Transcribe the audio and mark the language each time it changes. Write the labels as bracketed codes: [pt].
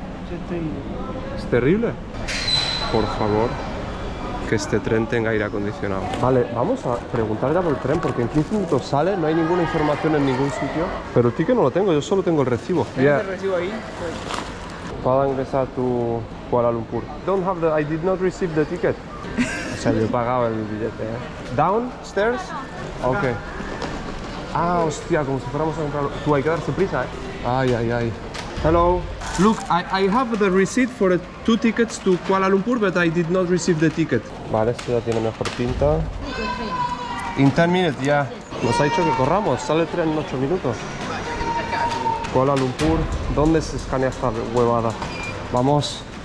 [es] Yo estoy... ¿Es terrible? Por favor, que este tren tenga aire acondicionado. Vale, vamos a preguntar ya por el tren, porque en 15 minutos sale, no hay ninguna información en ningún sitio. Pero el ticket no lo tengo, yo solo tengo el recibo. ¿Tienes el recibo ahí? Puedo ingresar tu Kuala Lumpur. [en] Don't have the, I did not receive the ticket. [es] O sea, yo he pagado el billete, ¿eh? [en] ¿Downstairs? Ok. [es] Ah, hostia, como si fuéramos a comprar... Tú, hay que darse prisa, ¿eh? Ay, ay, ay. [en] Hello. Look, I have the receipt for two tickets to Kuala Lumpur, but I did not receive the ticket. [es] Vale, esto ya tiene mejor pinta. [en] In 10 minutes, [es] ya. [en] Yeah. [es] Nos ha dicho que corramos, sale el tren en 8 minutos. Kuala Lumpur, ¿dónde se escanea esta huevada? Vamos.